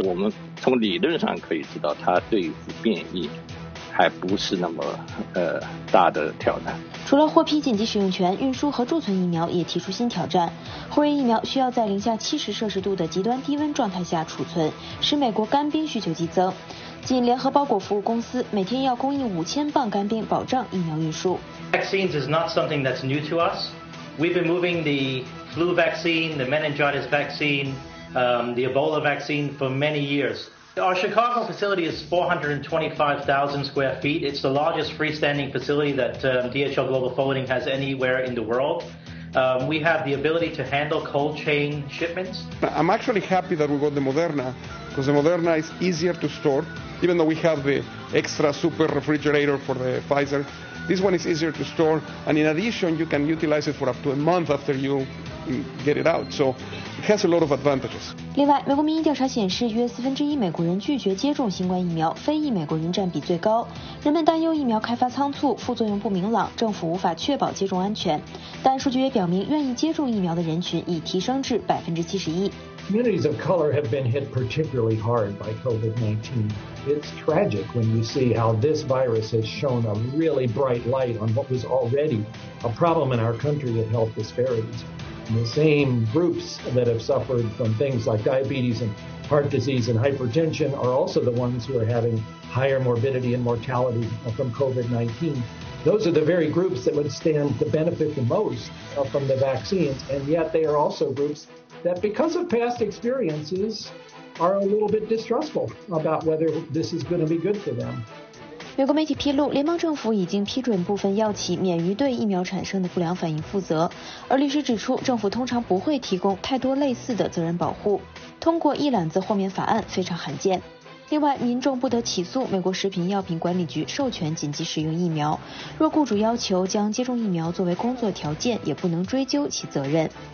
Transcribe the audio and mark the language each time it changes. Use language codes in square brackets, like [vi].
[zh] 我们从理论上可以知道，它对付变异还不是那么大的挑战。除了获批紧急使用权，运输和贮存疫苗也提出新挑战。辉瑞疫苗需要在-70摄氏度的极端低温状态下储存，使美国干冰需求激增。仅联合包裹服务公司每天要供应5000磅干冰，保障疫苗运输。 [en] Vaccines is not something that's new to us. We've been moving the flu vaccine, the meningitis vaccine, the Ebola vaccine for many years. Our Chicago facility is 425,000 square feet. It's the largest freestanding facility that DHL Global Forwarding has anywhere in the world. We have the ability to handle cold chain shipments. I'm actually happy that we got the Moderna, because the Moderna is easier to store, even though we have the extra super refrigerator for the Pfizer. This one is easier to store, and in addition, you can utilize it for up to a month after you get it out. So,Has a lot of advantages. [zh] 另外，美国民意调查显示，约1/4美国人拒绝接种新冠疫苗，非裔美国人占比最高。人们担忧疫苗开发仓促，副作用不明朗，政府无法确保接种安全。但数据也表明，愿意接种疫苗的人群已提升至71%。 [en] Communities of color have been hit particularly hard by COVID-19. It's tragic when you see how this virus has shown a really bright light on what was already a problem in our country with health disparities. The same groups that have suffered from things like diabetes and heart disease and hypertension are also the ones who are having higher morbidity and mortality from COVID-19. Those are the very groups that would stand to benefit the most from the vaccines, and yet they are also groups that, because of past experiences, are a little bit distrustful about whether this is going to be good for them. [zh] 美国媒体披露，联邦政府已经批准部分药企免于对疫苗产生的不良反应负责，而律师指出，政府通常不会提供太多类似的责任保护，通过一揽子豁免法案非常罕见。另外，民众不得起诉美国食品药品管理局授权紧急使用疫苗，若雇主要求将接种疫苗作为工作条件，也不能追究其责任。